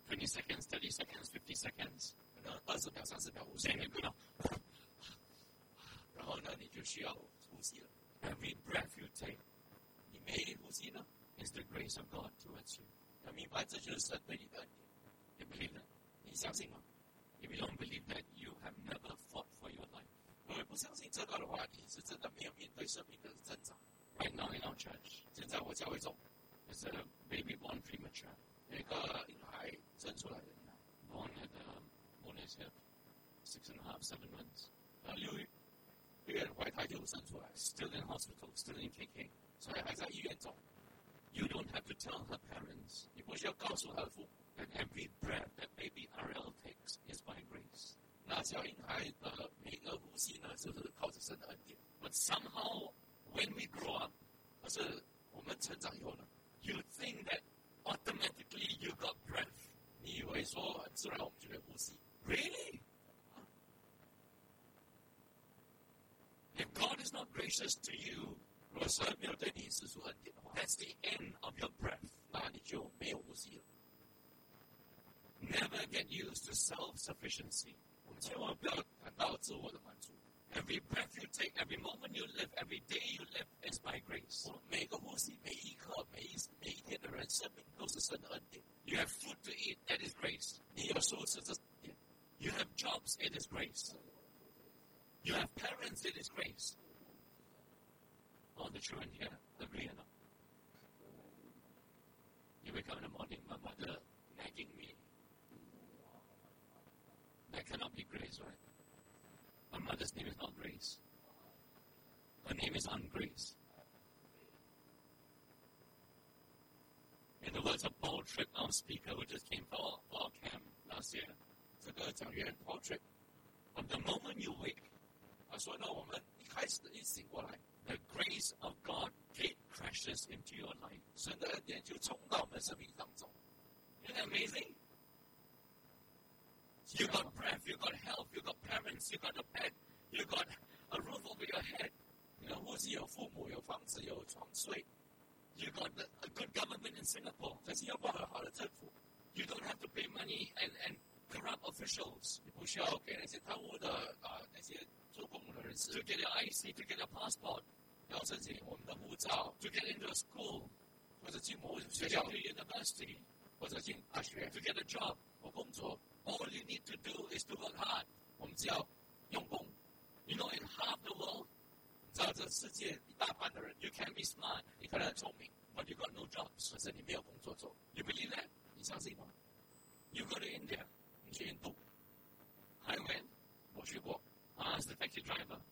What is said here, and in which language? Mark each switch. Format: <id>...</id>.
<en>20 seconds, 30 seconds, 50 seconds,</en> <zh>可能20秒、30秒呼吸。</zh> <en>Same amount.</en> <zh>然后呢，你就需要呼吸了。</zh> <en>Every breath you take,</en> <zh>你每一呼吸呢</zh> <en>is the grace of God towards you.</en> <zh>要明白，这就是神对你的恩典。</zh> <en>You believe that?</en> <zh>你相信吗？</zh> <en>If you don't believe that, you have never fought for your life.</en> <zh>如果不相信这个的话，你是真的没有面对生命的挣扎。</zh> <en>Right now in our church,</en> <zh>现在我教会中</zh> <en>，is a baby born premature.</en> <zh>一个婴孩生出来的婴孩</zh> <en>，born at the moon is here, 6.5-7 months.</en> <zh>六月怀胎就生出来</zh> <en>，still in hospital, still in KK.</en> <zh>所以还在医院中。</zh> <en>You don't have to tell her parents.</en> <zh>你不需要告诉她的父母。</zh> <en>That every breath that baby RL takes is by grace.</en> <zh>那小婴孩的每一个呼吸呢，就是靠着神的恩典。</zh> <en>But somehow, when we grow up,</en> <zh>可是我们成长以后呢</zh> <en>，you think that automatically you got breath.</en> <zh>你以为说很自然我们就会呼吸</zh> <en>？Really? If God is not gracious to you,</en> <zh>如果神没有对你施出恩典的话</zh> <en>，that's the end of your breath.</en> <zh>那你就没有呼吸了。</zh> <en>Never get used to self-sufficiency.</en> <zh>我们千万不要感到自我的满足。</zh> <en>Every breath you take, every moment you live, every day you live is by grace.</en> <zh>我每个呼吸、每一刻、每一天的人生命都是神的恩典。</zh> <en>You have food to eat, that is grace.</en> <zh>你有食物吃，这是恩典。</zh> <en>You have jobs, it is grace. You have parents, it is grace. All the children here, agree or not? You wake up in the morning, my mother nagging me. That cannot be grace, right? My mother's name is not grace. Her name is ungrace. In the words of Paul Tripp, our speaker who just came for our camp last year,</en> <zh>这个讲员 Paul Tripp,</zh> <en>from the moment you wake,</en> <zh>他说呢我们一开始一醒过来</zh> <en>the grace of God gate crashes into your life.</en> <zh>神的恩典就冲到我们生命当中</zh> <en>Isn't that amazing? You got breath, you got health, you got parents, you got a bed, you got a roof over your head.</en> <zh>你的呼吸有父母，有房子，有床睡。</zh> <en>You got a good government in Singapore.</en> <zh>在新加坡有好的政府。</zh> <en>You don't have to pay money and corrupt officials.</en> <zh>你不需要给那些贪污的那些做公务的人士。</zh> <en>To get your IC, to get your passport.</en> <zh>要申请我们的护照。</zh> <en>To get into a school.</en> <zh>或者进某学校。</zh> <en>To get university.</en> <zh>或者进大学。</zh> <en>To get a job.</en> <zh>或工作。</zh> <en>All you need to do is to work hard.</en> <zh>我们只要用功。</zh> <en>You know, in half the world,</en> <zh>你知道这世界一大半的人</zh> <en>you can be smart,</en> <zh>你可能很聪明</zh> <en>but you got no jobs,</en> <zh>可是你没有工作做。</zh> <en>You believe that?</en> <zh>你相信吗</zh> <en>You go to India,</en> <zh>你去印度。</zh> <en>I went,</en> <zh>我去过。</zh> <en>I asked the taxi driver,</en>